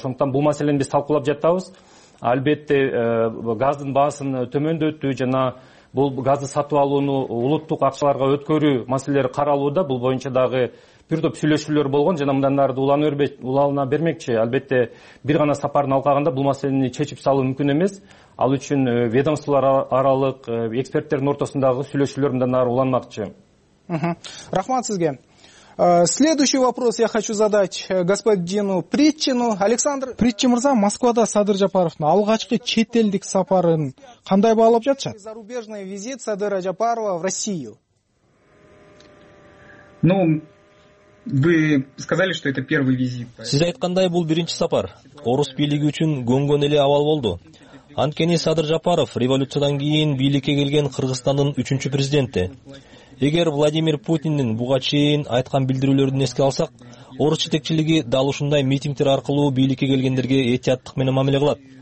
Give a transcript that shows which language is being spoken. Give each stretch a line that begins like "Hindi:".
Kyrgyz: Ошондуктан бул маселени биз талкуулап жатабыз. Албетте газдын баасын төмөндөтүү жана бул газды сатып алууну улуттук акчаларга өткөрүү маселелери каралууда. Бул боюнча дагы бир топ сүйлөшүүлөр болгон жана мындан ары улана бермекчи. Албетте бир гана сапарын алкаганда бул маселени чечип салуу мүмкүн эмес. Ал үчүн ведомстволор аралык эксперттердин ортосундагы сүйлөшүүлөр мындан ары уланмакчы. Рахмат сизге.
Russian: Следующий вопрос я хочу задать господину Притчину. Александр
Kyrgyz: Притчи мырза, Москвада Садыр Жапаровдун алгачкы чет элдик сапарын кандай баалап жатышат?
Russian: Зарубежный визит Садыра Жапарова в Россию. Ну, вы сказали, что это первый визит.
Kyrgyz: Сиз айткандай бул биринчи сапар. Орус бийлиги үчүн көңгөн эле абал болду. Анткени Садыр Жапаров революциядан кийин бийликке келген Кыргызстандын үчүнчү президенти. Эгер Владимир Путиндин буга чейин айткан билдирүүлөрүн эске алсак, орус жетекчилиги дал ушундай митингтер аркылуу бийликке келгендерге этияттык менен мамиле кылат.